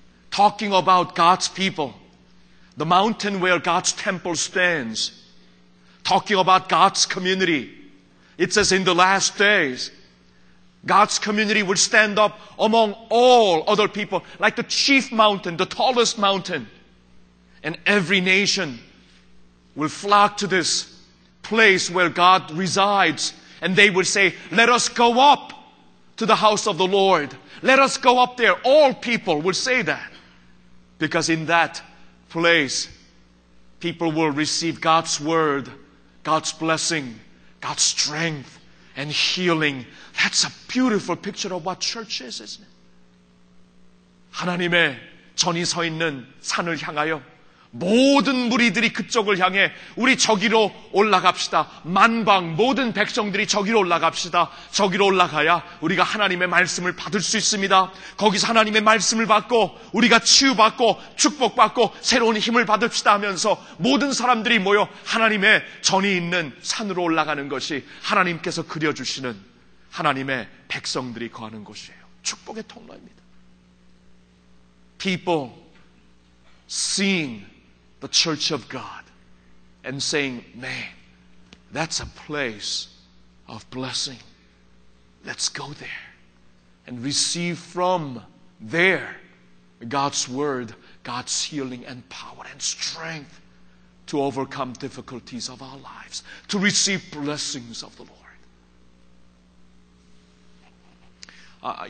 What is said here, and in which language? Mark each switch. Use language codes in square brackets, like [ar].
[en] Talking about God's people, the mountain where God's temple stands, talking about God's community, it says in the last days, God's community will stand up among all other people, like the chief mountain, the tallest mountain, and every nation will flock to this place where God resides, and they will say, let us go up to the house of the Lord. Let us go up there. All people will say that. Because in that place, people will receive God's word, God's blessing, God's strength, and healing. That's a beautiful picture of what church is, isn't it? [ko] 하나님의 전이 서 있는 산을 향하여 모든 무리들이 그쪽을 향해 우리 저기로 올라갑시다. 만방 모든 백성들이 저기로 올라갑시다. 저기로 올라가야 우리가 하나님의 말씀을 받을 수 있습니다. 거기서 하나님의 말씀을 받고 우리가 치유받고 축복받고 새로운 힘을 받읍시다 하면서 모든 사람들이 모여 하나님의 전이 있는 산으로 올라가는 것이 하나님께서 그려주시는 하나님의 백성들이 거하는 곳이에요. 축복의 통로입니다. [en] People seeing the church of God and saying, man, that's a place of blessing. Let's go there and receive from there God's word, God's healing and power and strength to overcome difficulties of our lives, to receive blessings of the Lord.